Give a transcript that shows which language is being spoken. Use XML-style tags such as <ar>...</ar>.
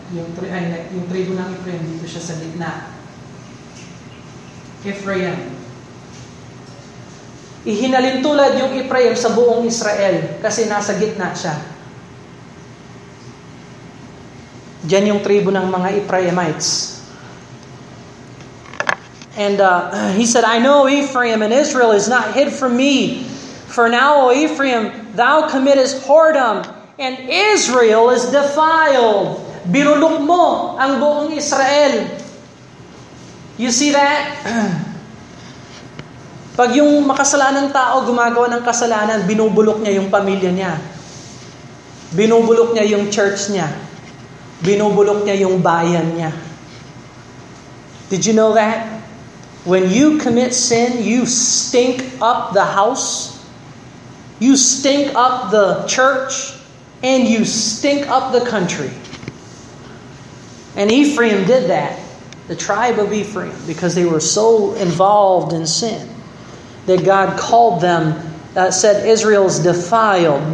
<tl>Yung tribo ng Ephraim, dito siya sa gitna. Ephraim. Ihinalintulad yung Ephraim sa buong Israel kasi nasa gitna siya. Diyan yung tribo ng mga Ephraimites.</tl> <en>And he said, I know Ephraim and Israel is not hid from me. For now, O Ephraim, thou committest whoredom, and Israel is defiled.</en> <tl>Binulok mo ang buong Israel.</tl> <en>You see that?</en> <tl>Pag yung makasalanan tao gumagawa ng kasalanan, binubulok niya yung pamilya niya. Binubulok niya yung church niya. Binubulok niya yung bayan niya.</tl> <en>Did you know that? When you commit sin, you stink up the house. You stink up the church. and you stink up the country. And Ephraim did that, the tribe of Ephraim, because they were so involved in sin that God called them, said Israel's defiled.</en>